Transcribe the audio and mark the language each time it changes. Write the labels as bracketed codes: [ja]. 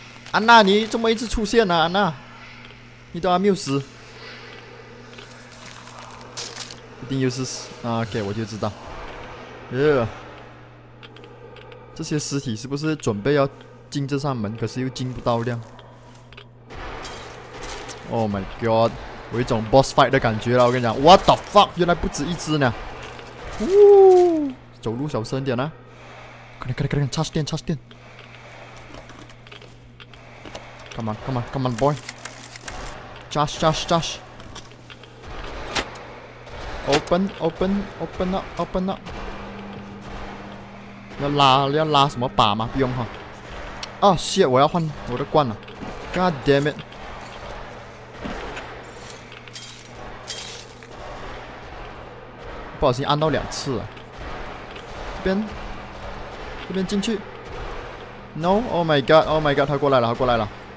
[zh] 安娜，你怎么一直出现呢？安娜，你都还没有死，一定又是死啊 ！ [en] OK， [zh] 我就知道。耶，这些尸体是不是准备要？进这扇门，可是又进不到量。 [en] Oh my god， [zh] 我有一种 boss fight 的感觉了。我跟你讲 ， [en] What the fuck， [zh] 原来不止一只呢。呜，走路小声点啦、啊！快点快点快点，插电插电 [en] ！Come on come on come on boy， charge charge charge， open open open up open up， [zh] 要拉什么把吗？不用哈。啊、oh, ！ [en] shit， [zh] 我要换我的罐了。 [en] God damn it！ [zh] 不小心按到两次了。这边进去。 [en] No！ Oh my god！ [zh] Oh my god！ 他过来了，他过来了。